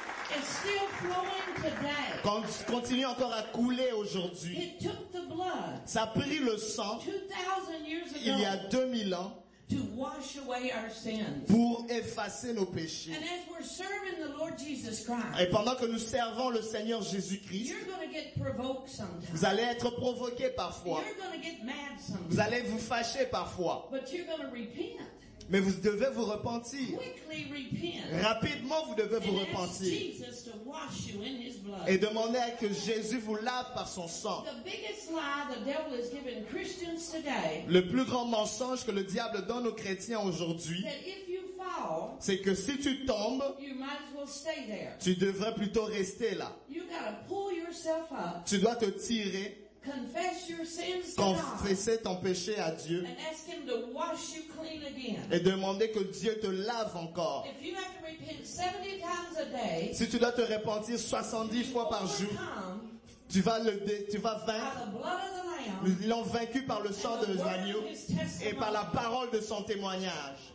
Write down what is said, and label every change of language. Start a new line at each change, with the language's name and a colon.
English: it's still flowing today.
French: Continue encore à couler aujourd'hui.
English: It took the blood,
French: ça a pris le sang
English: 2000 years ago,
French: il y a 2000 ans
English: to wash away our sins.
French: Pour effacer nos péchés.
English: And as we're serving the Lord Jesus Christ,
French: et pendant que nous servons le Seigneur Jésus-Christ,
English: you're gonna get provoked sometimes.
French: Vous allez être provoqué parfois.
English: You're gonna get mad sometimes.
French: Vous allez vous fâcher parfois.
English: But you're gonna repent.
French: Mais vous devez vous repentir.
English: Quickly repent.
French: Rapidement, vous devez vous repentir.
English: Jesus to wash you in his blood.
French: Et demander à que Jésus vous lave par son sang.
English: The biggest lie the devil has given Christians today,
French: le plus grand mensonge que le diable donne aux chrétiens aujourd'hui,
English: if you fall,
French: c'est que si tu tombes,
English: you might as well stay there.
French: Tu devrais plutôt rester là.
English: You gotta pull yourself up.
French: Tu dois te tirer.
English: Confess your sins to
French: confessez
English: God,
French: ton péché à Dieu,
English: and ask him to wash you clean again.
French: Et demander que Dieu te lave encore.
English: If you have to repent 70 times a day,
French: si tu dois te repentir 70 fois par jour, tu vas vaincre. Nous l'avons vaincu par le sang de l'agneau et par la parole de son témoignage.